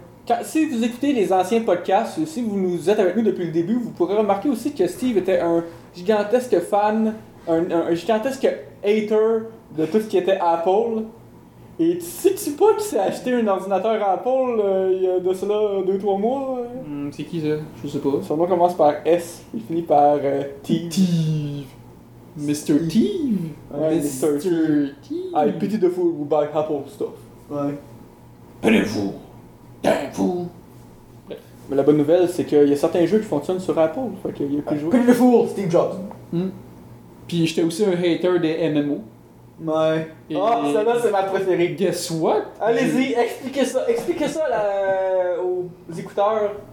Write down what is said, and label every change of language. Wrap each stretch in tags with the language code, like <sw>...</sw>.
<fr>Quand, si vous écoutez les anciens podcasts, si vous nous êtes avec nous depuis le début, vous pourrez remarquer aussi que Steve était un gigantesque fan, un gigantesque hater de tout ce qui était Apple. Et sais-tu pas qui s'est acheté un ordinateur Apple il y a de cela 2-3 mois? C'est qui ça? Je sais pas. Son nom commence par S, il finit par Teeve. Mr. Teeve? Mr. Teeve.</fr> <en>I pity the fool who buy Apple stuff.</en> <fr>Ouais. Prenez-vous. Prenez-vous. Bref. Mais la bonne nouvelle, c'est qu'il y a certains jeux qui fonctionnent sur Apple. Fait qu'il y a plus de jeux.</fr> <en>Pity the fool, Steve Jobs.</en> <fr>Puis j'étais aussi un hater des MMO. Ouais. Ah, oh, celle-là, c'est ma préférée.</fr> <en>Guess what?</en> <fr>Allez-y, expliquez ça là, aux auditeurs.</fr>